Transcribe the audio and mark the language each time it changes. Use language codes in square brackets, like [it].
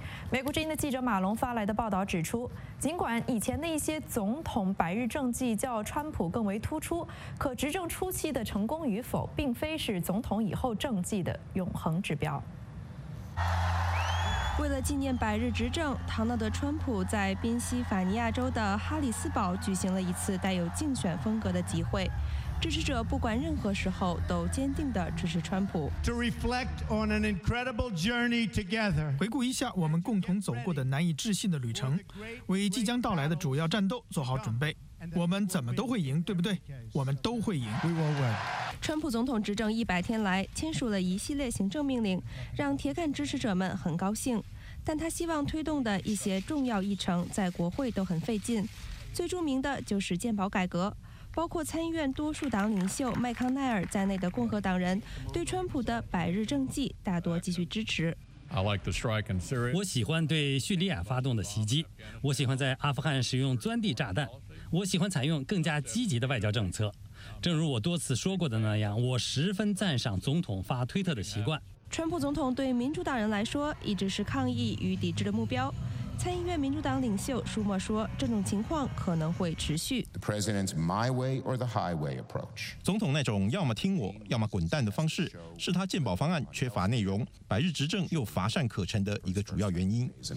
[zh] 美国之音的记者马龙发来的报道指出，尽管以前的一些总统百日政绩较川普更为突出，可执政初期的成功与否，并非是总统以后政绩的永恒指标。为了纪念百日执政，唐纳德·川普在宾夕法尼亚州的哈里斯堡举行了一次带有竞选风格的集会。支持者不管任何时候都坚定地支持川普。 [en] To reflect on an incredible journey together. [zh] 回顾一下我们共同走过的难以置信的旅程，为即将到来的主要战斗做好准备。我们怎么都会赢，对不对？我们都会赢。 [en] We will win. [zh] 川普总统执政100天来，签署了一系列行政命令，让铁杆支持者们很高兴。但他希望推动的一些重要议程在国会都很费劲，最著名的就是健保改革。包括参议院多数党领袖麦康奈尔在内的共和党人对川普的百日政绩大多继续支持。我喜欢对叙利亚发动的袭击，我喜欢在阿富汗使用钻地炸弹，我喜欢采用更加积极的外交政策。正如我多次说过的那样，我十分赞赏总统发推特的习惯。川普总统对民主党人来说一直是抗议与抵制的目标。参议院民主党领袖舒默说，这种情况可能会持续。 [en] The president's my way or the highway approach. [zh] 总统那种要么听我要么滚蛋的方式，是他健保方案缺乏内容，百日执政又乏善可陈的一个主要原因。